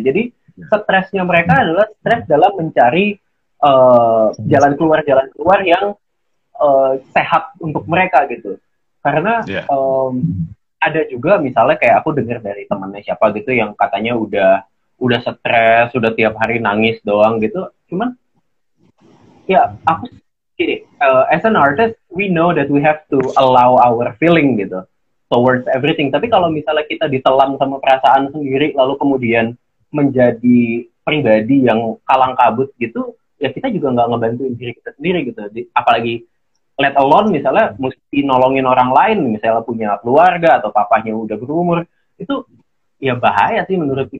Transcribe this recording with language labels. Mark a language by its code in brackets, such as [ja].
[id] Jadi stresnya mereka adalah stres dalam mencari jalan keluar yang sehat untuk mereka gitu. Karena ada juga misalnya kayak aku dengar dari temannya siapa gitu yang katanya udah stres, udah tiap hari nangis doang gitu. Cuman ya aku gini, [en] as an artist, we know that we have to allow our feeling gitu towards everything. [id] Tapi kalau misalnya kita ditelan sama perasaan sendiri, lalu kemudian menjadi pribadi yang kalang kabut gitu, ya kita juga nggak ngebantuin diri kita sendiri gitu. Apalagi [en] let alone [id] misalnya mesti nolongin orang lain, misalnya punya keluarga atau papanya udah berumur, itu ya bahaya sih menurutku.